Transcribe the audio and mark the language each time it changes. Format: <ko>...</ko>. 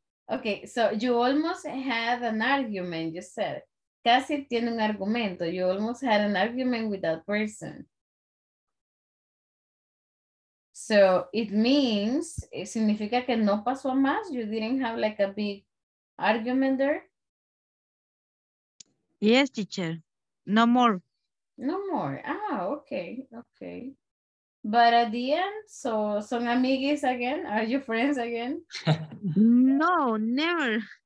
<en>Okay, so you almost had an argument, you said.</en> <es>Casi tiene un argumento.</es> <en>You almost had an argument with that person. So it means,</en> <es>significa que no pasó a más.</es> <en>You didn't have like a big argument there. Yes, teacher. No more. No more. Ah, okay. But at the end, so</en> <es>son amigos</es> <en>again? Are you friends again? No, never.</en>